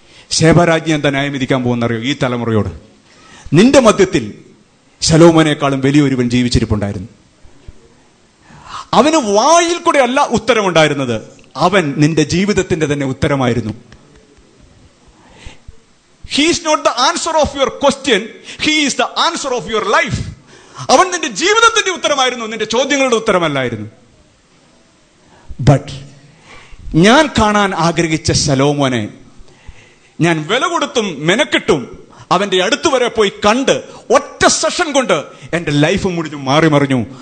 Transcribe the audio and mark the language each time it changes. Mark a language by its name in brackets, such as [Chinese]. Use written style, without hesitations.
[Malayalam] ശേബരാജ്ഞി എന്താ ന്യായം വിധിക്കാൻ പോകുന്നറിയോ ഈ തലമുറയോട്? നിന്റെ മധ്യത്തിൽ ശലോമോനേക്കാളും വലിയൊരുവൻ ജീവിച്ചിരിപ്പുണ്ടായിരുന്നു. അവന് വായിൽ കൂടെ അല്ല ഉത്തരമുണ്ടായിരുന്നത്, അവൻ നിന്റെ ജീവിതത്തിന്റെ തന്നെ ഉത്തരമായിരുന്നു. [English] He is not the answer of your question. He is the answer of your life. [Malayalam] അവൻ നിന്റെ ജീവിതത്തിന്റെ ഉത്തരമായിരുന്നു, നിന്റെ ചോദ്യങ്ങളുടെ ഉത്തരമല്ലായിരുന്നു. ബട്ട് ഞാൻ കാണാൻ ആഗ്രഹിച്ച ശലോമോനെ ഞാൻ വില കൊടുത്തും മെനക്കെട്ടും അവന്റെ അടുത്തുവരെ പോയി കണ്ട് ഒറ്റ സെഷൻ കൊണ്ട് എന്റെ ലൈഫ് മുഴിഞ്ഞു മാറിമറിഞ്ഞു.